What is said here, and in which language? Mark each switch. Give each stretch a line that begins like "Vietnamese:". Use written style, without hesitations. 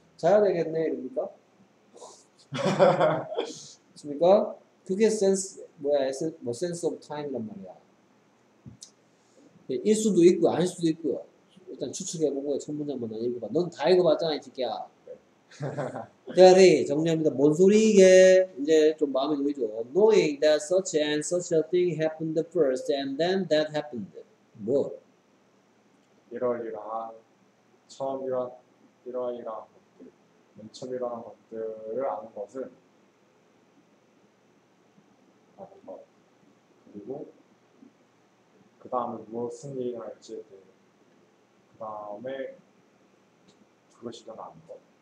Korean: 자야 되겠네, 이럽니까? 그렇습니까? 그게 sense, 뭐야, essence, 뭐, sense of time란 말이야. 일 수도 있고, 아닐 수도 있고요. 일단 추측해보고, 첫 문장만 읽어봐. 넌 다 읽어봤잖아, 이 새끼야. 대리 정리합니다. 뭔 소리 이게? 이제 좀 마음에 놓이죠.
English: Knowing that such and such a thing happened first and then that happened.
Korean: 뭐? 이러이러한 처음 이러이러한 것들 맨 처음 이러한 것들을 아는 것은 아는 것 그리고 그 다음에 무엇은 일어날지 그 다음에 그것이 일어나는 것